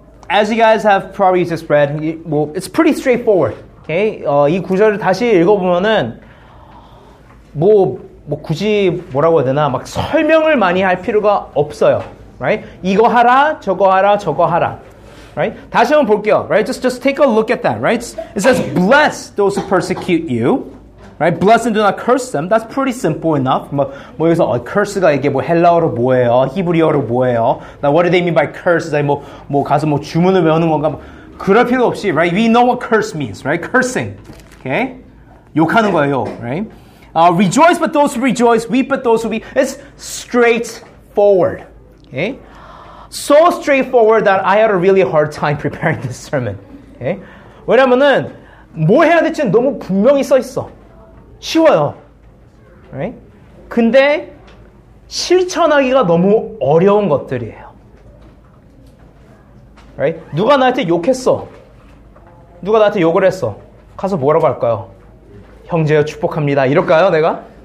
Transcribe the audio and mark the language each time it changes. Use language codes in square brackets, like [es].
[en] as you guys have probably used the spread, it's pretty straightforward. Okay? [ko] 이 구절을 다시 읽어보면은 뭐 굳이 뭐라고 해야 되나 막 설명을 많이 할 필요가 없어요. [en] Right? [ko] 이거 하라, 저거 하라, 저거 하라. [en] Right? 다시 한번 볼게요. Right? Just take a look at that. Right? It says, bless those who persecute you. Right? Bless and do not curse them. That's pretty simple enough. [ko] 뭐 여기서 curse가 이게 뭐 헬라어로 뭐예요? 히브리어로 뭐예요? [en] Now, what do they mean by curse? [ko] 뭐 가서 뭐 주문을 외우는 건가? 그럴 필요 없이, [en] right? We know what curse means, right? Cursing. Okay? [ko] 욕하는 거예요, right? [en] Rejoice but those who rejoice, weep but those who weep. It's straightforward. Okay? So straightforward that I had a really hard time preparing this sermon. Okay? [ko] 왜냐면은, 뭐 해야 될지 너무 분명히 써 있어. 쉬워요. Right? 근데, 실천하기가 너무 어려운 것들이에요. Right? 누가 나한테 욕했어? 누가 나한테 욕을 했어? 가서 뭐라고 할까요? 형제여 축복합니다. 이럴까요, 내가?